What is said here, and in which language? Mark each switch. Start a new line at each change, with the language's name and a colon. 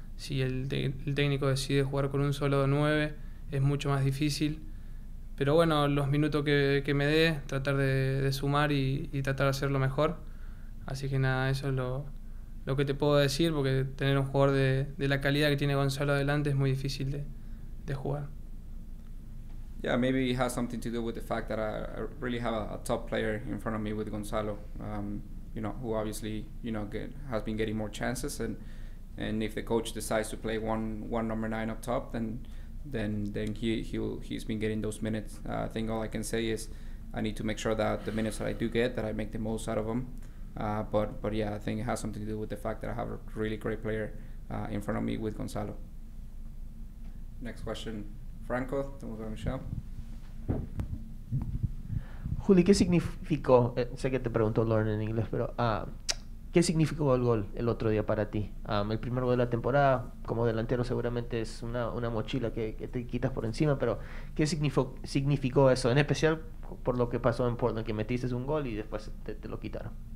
Spanish: Si el técnico decide jugar con un solo 9, es mucho más difícil. Pero bueno, los minutos que me dé, tratar de sumar y tratar de hacerlo mejor. Así que nada, eso es lo que te puedo decir, porque tener un jugador de la calidad que tiene Gonzalo adelante es muy difícil de jugar.
English: Yeah, maybe it has something to do with the fact that I really have a top player in front of me with Gonzalo, you know, who obviously, you know, has been getting more chances, and if the coach decides to play one number 9 up top, then he's been getting those minutes. I think all I can say is I need to make sure that the minutes that I do get, that I make the most out of them. But yeah, I think it has something to do with the fact that I have a really great player in front of me with Gonzalo. Next question, Franco, then we'll go to Michelle.
Spanish: Juli, ¿qué significó? Sé que te preguntó Lauren en inglés, pero ¿qué significó el gol el otro día para ti? El primer gol de la temporada, como delantero seguramente es una mochila que te quitas por encima, pero ¿qué significó eso? En especial por lo que pasó en Portland, que metiste un gol y después te lo quitaron.